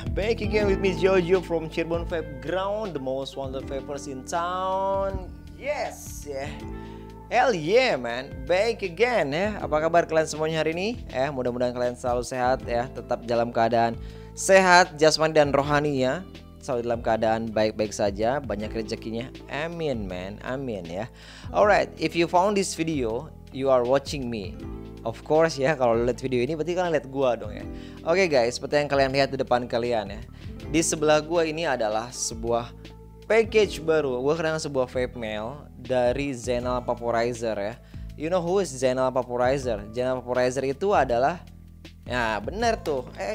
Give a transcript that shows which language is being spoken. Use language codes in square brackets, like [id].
[en] Back again with me Jojo from Cirebon Vape Ground, the most wanted vapers in town. Yes, yeah. Hell yeah man, back again ya. [id] Apa kabar kalian semuanya hari ini? Mudah-mudahan kalian selalu sehat ya, tetap dalam keadaan sehat jasmani dan rohani ya. Selalu dalam keadaan baik-baik saja, banyak rezekinya. Amin man, amin ya. [en] Alright, if you found this video, you are watching me. Of course [id] ya, kalau lihat video ini berarti kalian lihat gua dong ya. Oke guys, seperti yang kalian lihat di depan kalian ya, di sebelah gua ini adalah sebuah package baru. Gua kedengar sebuah vape mail dari Zenal Vaporizer ya. [en] You know who is Zenal Vaporizer? [id] Zenal Vaporizer itu adalah, ya benar tuh.